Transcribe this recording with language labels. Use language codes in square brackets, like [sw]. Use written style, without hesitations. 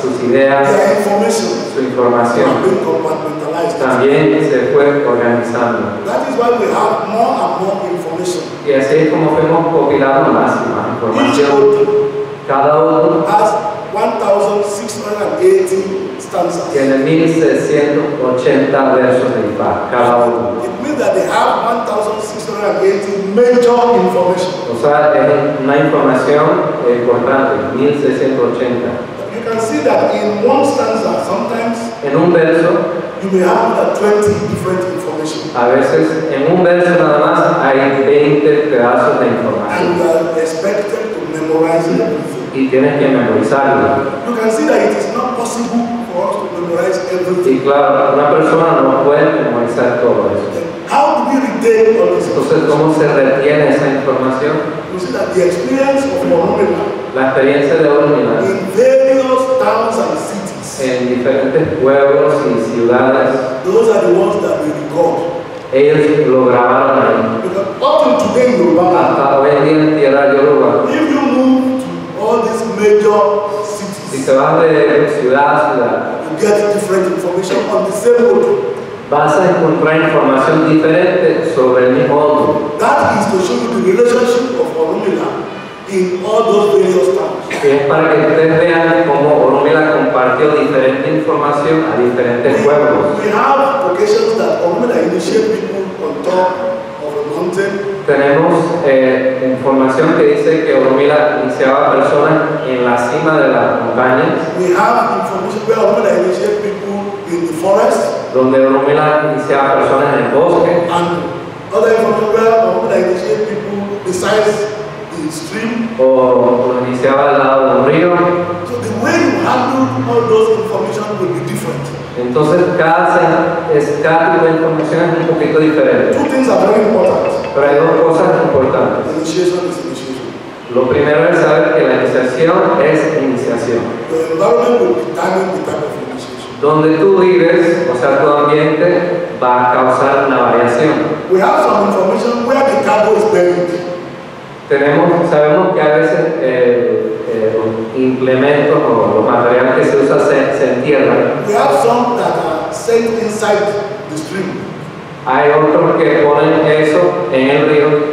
[es] sus ideas, su información, también se fue organizando. [en] That is why we have more and more information. [es] Y así es como fuimos compilando más y más información. Cada uno [en] has 1680 stanzas. [es] Tiene 1680 versos de Ifá, cada uno. [en] It means that they have 1680 major information. [es] O sea, es una información importante, 1680. [en] You can see that in one stanza, sometimes [es] en un verso, [en] you may have 20 different information. [es] A veces, en un verso nada más hay 20 pedazos de información. [en] And you are expected to memorize everything. [es] Y tienes que memorizarlo. [en] You can see that it is not possible for us to memorize everything. [es] Y claro, una persona no puede memorizar todo eso. [en] How do we retain all this? [es] Entonces, ¿cómo se retiene esa información? [en] You see that the experience of Orunmila, [es] la experiencia de Orunmila, [en] in various towns and cities, [es] en diferentes pueblos y ciudades, [en] those are the ones that we record. [es] Ellos lo grabaron ahí. [en] Because up to today, Yoruba, [es] hasta hoy en día en tierra Yoruba, [en] if you move to all these major cities, [es] si te vas de ciudad a ciudad, [en] you get different information on the same road. [es] Vas a encontrar información diferente sobre mi Odu. [en] That is to show you the relationship of Orunmila in all those various towns. [es] Es para que ustedes vean cómo Orunmila compartió diferente información a diferentes pueblos. [en] We have occasions that Orunmila initiate people on top of a mountain. [es] Tenemos información que dice que Orunmila iniciaba personas en la cima de las montañas. [en] We have information where Orunmila initiate people in the forest. [es] Donde Orunmila iniciaba personas en el bosque. [en] And other information where Orunmila iniciated people besides the stream. [es] O iniciaba al lado del río. [en] So the way you handle all those information will be different. [es] Entonces cada tipo de información es un poquito diferente. [en] Two things are very important. [es] Pero hay dos cosas importantes. [en] Initiation is initiation. [es] Lo primero es saber que la iniciación es iniciación. [en] The environment will determine the type of initiation. [es] Donde tú vives, o sea, tu ambiente, va a causar una variación. [en] We have some information where the cargo is buried. [es] Sabemos que a veces los implementos o los materiales que se usan se entierran. [en] We have some that are sent inside the stream. [es] Hay otros que ponen eso en el río.